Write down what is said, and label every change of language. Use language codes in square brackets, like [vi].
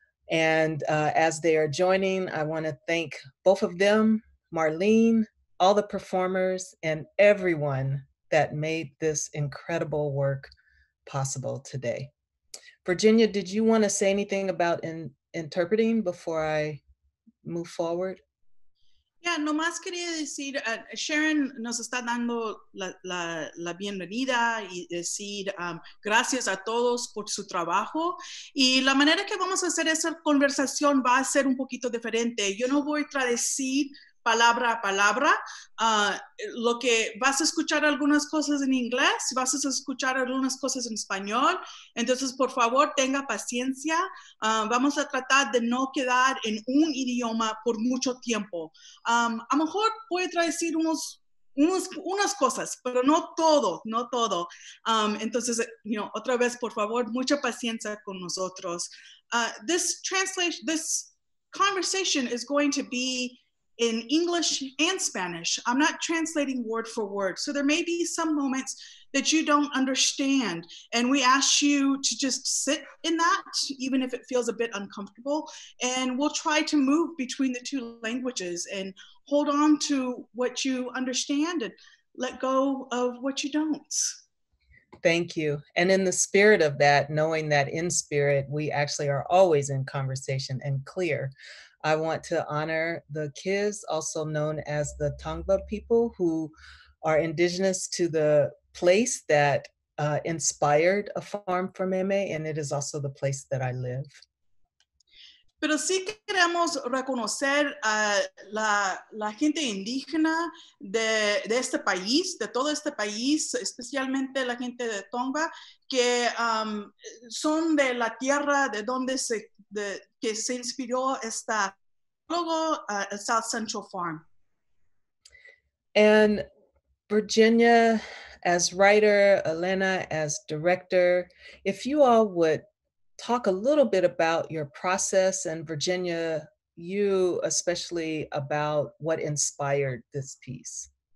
[en] And as they are joining, I want to thank both of them, Marlene, all the performers, and everyone that made this incredible work possible today. Virginia, did you want to say anything about interpreting before I move forward? [es] Yeah, nomás quería decir, Sharon nos está dando la bienvenida y decir gracias a todos por su trabajo. Y la manera que vamos a hacer esa conversación va a ser un poquito diferente. Yo no voy a traducir palabra a palabra. Lo que vas a escuchar algunas cosas en inglés, vas a escuchar algunas cosas en español. Entonces, por favor, tenga paciencia. Vamos a tratar de no quedar en un idioma por mucho tiempo. A lo mejor puede traducir unas cosas, pero no todo, no todo. Entonces, [en] you know, [es] otra vez, por favor, mucha paciencia con nosotros. [en] This conversation is going to be in English and Spanish. I'm not translating word for word. So there may be some moments that you don't understand. And we ask you to just sit in that, even if it feels a bit uncomfortable. And we'll try to move between the two languages and hold on to what you understand and let go of what you don't. Thank you. And in the spirit of that, knowing that in spirit, we actually are always in conversation and clear, I want to honor the Kiz, also known as the Tongva people, who are indigenous to the place that inspired A Farm for Meme, and it is also the place that I live. [es] Pero sí queremos reconocer a la gente indígena de este país, de todo este país, especialmente la gente de Tongva, que son de la tierra de donde se inspiró esta logo, South Central Farm. [en] And Virginia, as writer, Elena, as director, if you all would talk a little bit about your process, and Virginia, you especially, about what inspired this piece.